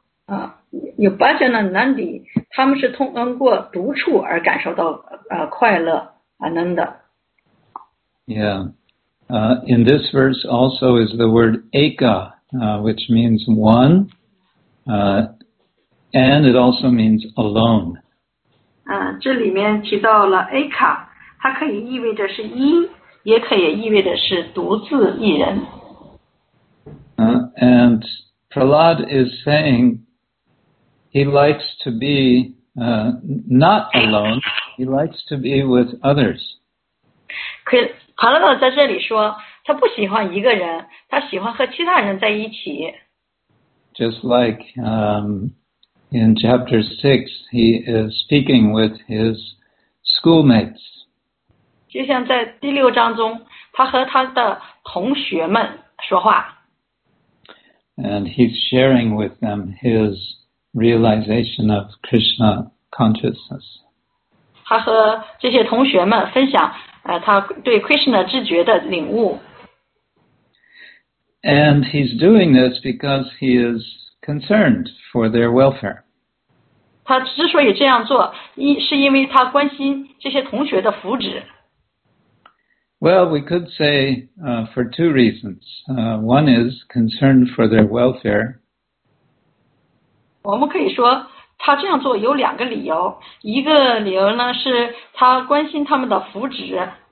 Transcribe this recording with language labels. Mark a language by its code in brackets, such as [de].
[zh] Bhajanānandi, 他们是通过独处而感受到快乐ananda. [en] Yeah. In this verse also is the word eka, which means one, and it also means alone. [zh] 这里面提到了 eka, 它可以意味着是一，也可以意味着是独自一人。 [en] And Prahlad is saying he likes to be not alone, he likes to be with others. [zh] Prahlad 在这里说他不喜欢一个人，他喜欢和其他人在一起。 [en] Just like in chapter 6, he is speaking with his schoolmates. [zh] 就像在第六章中，他和他的同学们说话。 [en] And he's sharing with them his realization of Krishna consciousness. [zh] 他和这些同学们分享他对 Krishna 知觉的领悟。 [en] And he's doing this because he is concerned for their welfare. [zh] 他之所以这样做，是因为他关心这些同学的福祉。 [en] Well, we could say for two reasons. One is concern for their welfare. [zh] 我们可以说他这样做有两个理由。一个理由呢是他关心他们的福祉。